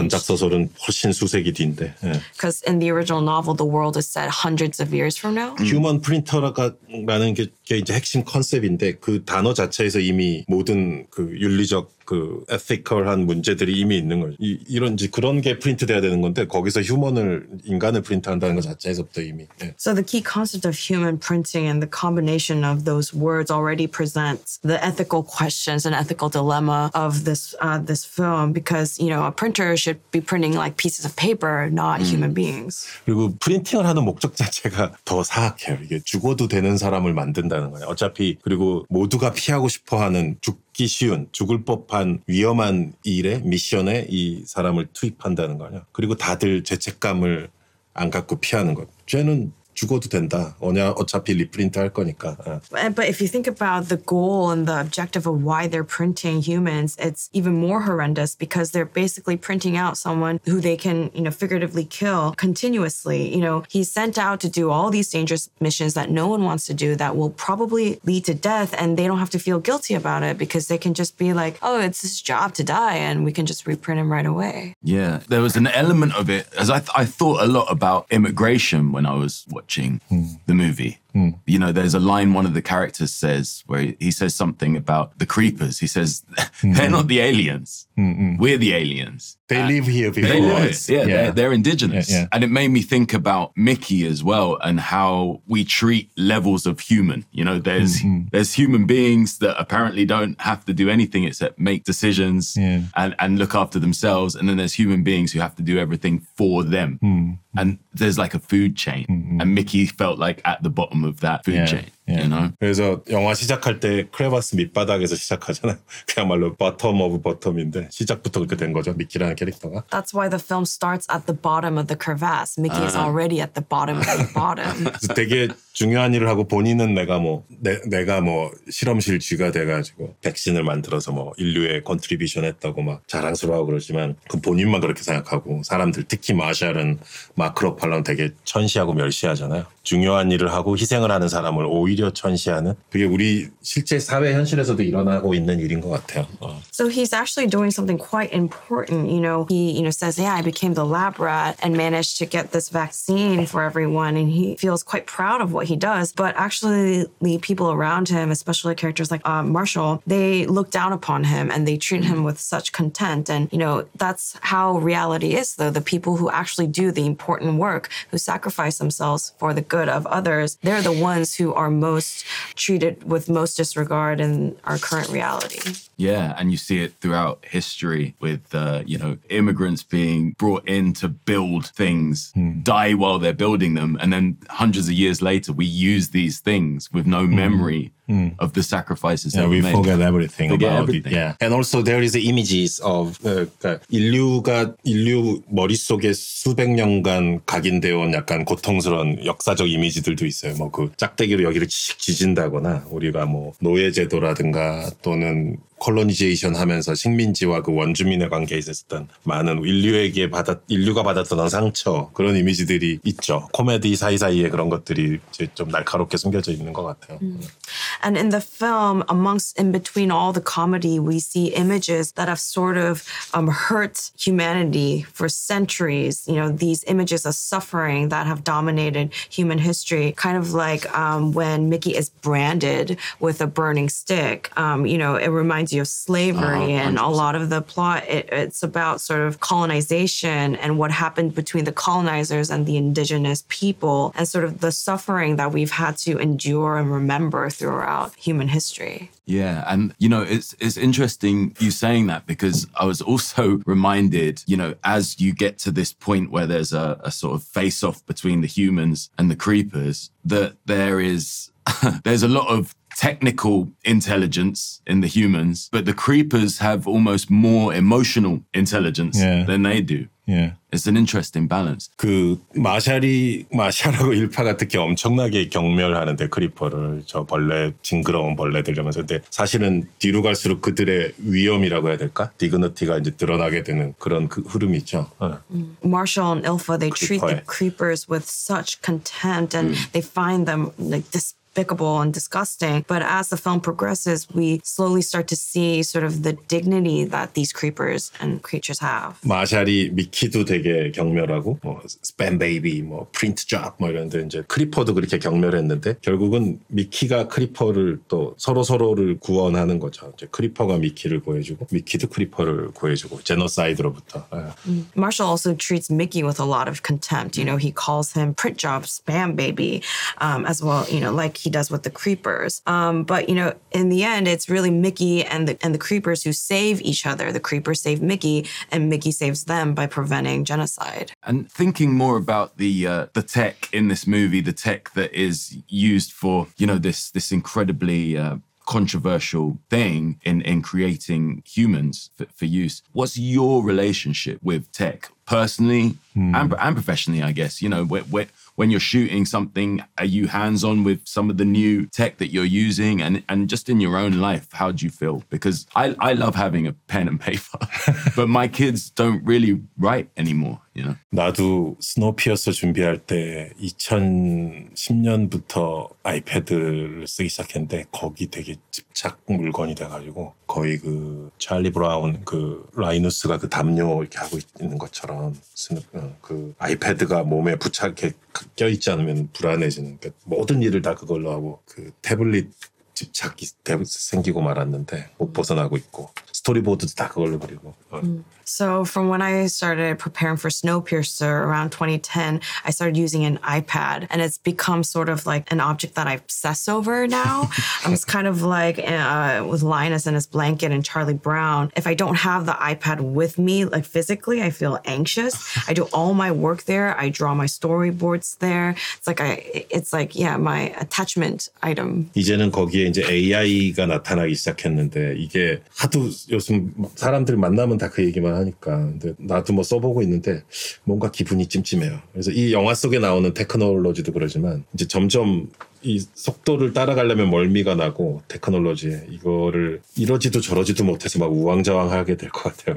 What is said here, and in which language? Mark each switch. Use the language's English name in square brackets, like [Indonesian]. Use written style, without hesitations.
[Korean] 원작 소설은 훨씬 수세기 뒤인데 [English] Because in the original novel the world is set hundreds of years from now. Human printer [Korean] 라는 게 이제 핵심 컨셉인데 그 단어 자체에서 이미 모든 그 윤리적 그 에티컬한 문제들이 이미 있는 거죠. 이런 이제 그런 게 프린트돼야 되는 건데 거기서 휴먼을 인간을 프린트한다는 것 자체에서부터 이미. 예. [English] So the key concept of human printing and the combination of those words already presents the ethical questions and ethical dilemma of this this film because you know a printer should be printing like pieces of paper, not human beings. [Korean] 그리고 프린팅을 하는 목적 자체가 더 사악해요. 이게 죽어도 되는 사람을 만든다는 거예요. 어차피 그리고 모두가 피하고 싶어하는 죽기 쉬운 죽을 법한 위험한 일에 미션에 이 사람을 투입한다는 거냐. 그리고 다들 죄책감을 안 갖고 피하는 것. 죄는 죽어도 된다. 어차피 리프린트 할 거니까. [English] But if you think about the goal and the objective of why they're printing humans, it's even more horrendous because they're basically printing out someone who they can, you know, figuratively kill continuously. You know, he's sent out to do all these dangerous missions that no one wants to do that will probably lead to death and they don't have to feel guilty about it because they can just be like, oh, it's his job to die and we can just reprint him right away. Yeah, there was an element of it as I thought a lot about immigration when I was watching the movie. You know, there's a line one of the characters says where he says something about the creepers. He says, they're not the aliens. We're the aliens. They live here before. They live. Yeah, yeah. They're indigenous. Yeah, yeah. And it made me think about Mickey as well and how we treat levels of human. You know, there's human beings that apparently don't have to do anything except make decisions and look after themselves. And then there's human beings who have to do everything for them. And there's like a food chain. And Mickey felt like at the bottom of that food chain. You know? [Korean] 그래서 영화 시작할 때 크레바스 밑바닥에서 시작하잖아요. 그야말로 [English] bottom of bottom [Korean] 인데 시작부터 그렇게 된 거죠. 미키라는 캐릭터가. [English] That's why the film starts at the bottom of the crevasse. Mickey is already at the bottom of the bottom. [Korean] 되게 중요한 일을 하고 본인은 내가 실험실 쥐가 돼가지고 백신을 만들어서 뭐 인류에 컨트리뷰션 했다고 막 자랑스러워하고 그러지만 그 본인만 그렇게 생각하고 사람들 특히 마샬은 마크로팔랑 되게 천시하고 멸시하잖아요. 중요한 일을 하고 희생을 하는 사람을 오히려 천시하는 그게 우리 실제 사회 현실에서도 일어나고 있는 일인 것 같아요. [English] So he's actually doing something quite important. You know, he you know says, "Hey, I became the lab rat and managed to get this vaccine for everyone," and he feels quite proud of what he does. But actually, the people around him, especially characters like Marshall, they look down upon him and they treat him with such contempt. And you know, that's how reality is. Though the people who actually do the important work, who sacrifice themselves for the good of others, they're the ones who are most treated with most disregard in our current reality. Yeah, and you see it throughout history with, you know, immigrants being brought in to build things, die while they're building them, and then hundreds of years later, we use these things with no memory of the sacrifices that we made. Forget everything. Yeah. And also there is the images of [Korean] 인류가 인류 머릿속에 수백 년간 각인되어 온 약간 고통스러운 역사적 이미지들도 있어요. 뭐 그 짝대기로 여기를 칙 지진다거나 우리가 뭐 노예 제도라든가 또는 콜로니제이션 하면서 식민지와 그 원주민의 관계에 있었던 많은 인류가 받았던 상처 그런 이미지들이 있죠. 코미디 사이사이에 그런 것들이 이제 좀 날카롭게 숨겨져 있는 것 같아요. [English] And in the film, amongst in between all the comedy, we see images that have sort of hurt humanity for centuries. You know, these images of suffering that have dominated human history, kind of like when Mickey is branded with a burning stick. You know, it reminds you of slavery and a lot of the plot. It's about sort of colonization and what happened between the colonizers and the indigenous people and sort of the suffering that we've had to endure and remember throughout human history. Yeah, and, you know, it's interesting you saying that because I was also reminded, you know, as you get to this point where there's a sort of face-off between the humans and the creepers, that there's a lot of technical intelligence in the humans, but the creepers have almost more emotional intelligence than they do. Yeah. It's an interesting balance. [Korean] 그 마샬이 마샬하고 일파가 특히 엄청나게 경멸하는데 크리퍼를 저 벌레 징그러운 벌레들이면서 근데 사실은 뒤로 갈수록 그들의 위험이라고 해야 될까? 디그니티가 이제 드러나게 되는 그런 그 흐름이죠. [English] Marshall and Ilpha they [Korean] 크리퍼에. [English] treat the creepers with such contempt and they find them like this despicable and disgusting. But as the film progresses, we slowly start to see sort of the dignity that these creepers and creatures have. [Korean] Marshall이 미키도 되게 경멸하고 뭐 [English] spam baby, [Korean] 뭐 [English] print job [Korean] 뭐 이런데 이제 크리퍼도 그렇게 경멸했는데 결국은 미키가 크리퍼를 또 서로서로를 구원하는 거죠. 이제 크리퍼가 미키를 구해주고 미키도 크리퍼를 구해주고 제노사이드로부터. [English] Marshall also treats Mickey with a lot of contempt. You know, he calls him print job, spam baby, as well, you know, like he does with the creepers. But, you know, in the end, it's really Mickey and the creepers who save each other. The creepers save Mickey, and Mickey saves them by preventing genocide. And thinking more about the tech in this movie, the tech that is used for, you know, this incredibly controversial thing in creating humans for use, what's your relationship with tech, personally and professionally, I guess? You know, when you're shooting something, are you hands-on with some of the new tech that you're using? And just in your own life, how do you feel? Because I love having a pen and paper, but my kids don't really write anymore, you know? [Korean] 나도 스노우피어서 준비할 때 2010년부터 아이패드를 쓰기 시작했는데 거기 되게 집착 물건이 돼가지고 거의 그 찰리 브라운 그 라이누스가 그 담요 이렇게 하고 있는 것처럼 그 아이패드가 몸에 부착해 껴있지 않으면 불안해지는 게 모든 일을 다 그걸로 하고 그 태블릿 집착이 생기고 말았는데 못 벗어나고 있고 스토리보드도 다 그걸로 그리고 [English] So from when I started preparing for Snowpiercer around 2010, I started using an iPad and it's become sort of like an object that I obsess over now. I'm just kind of like with Linus and his blanket and Charlie Brown. If I don't have the iPad with me, like physically, I feel anxious. I do all my work there. I draw my storyboards there. It's like my attachment item. [Korean] 이제는 거기에 이제 AI가 나타나기 시작했는데 이게 하도 요즘 사람들 만나면 다 그 얘기만 하니까 근데 나도 뭐 써보고 있는데 뭔가 기분이 찜찜해요. 그래서 이 영화 속에 나오는 테크놀로지도 그러지만 이제 점점 이 속도를 따라가려면 멀미가 나고 테크놀로지에 이거를 이러지도 저러지도 못해서 막 우왕좌왕하게 될 것 같아요.